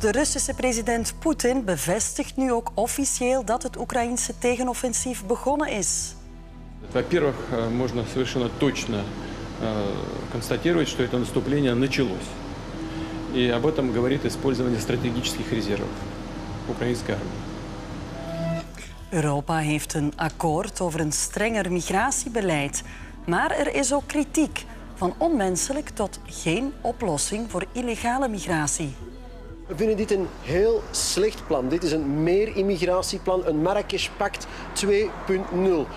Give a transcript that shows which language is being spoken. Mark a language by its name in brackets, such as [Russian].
[Dutch] De Russische president Poetin bevestigt nu ook officieel dat het Oekraïense tegenoffensief begonnen is. [Russian] Во-первых, можно совершенно точно констатировать, что это наступление началось. И об этом говорит использование стратегических резервов украинской армии. [Dutch] Europa heeft een akkoord over een strenger migratiebeleid, maar er is ook kritiek. Van onmenselijk tot geen oplossing voor illegale migratie. We vinden dit een heel slecht plan. Dit is een meer-immigratieplan, een Marrakesh-pact 2.0.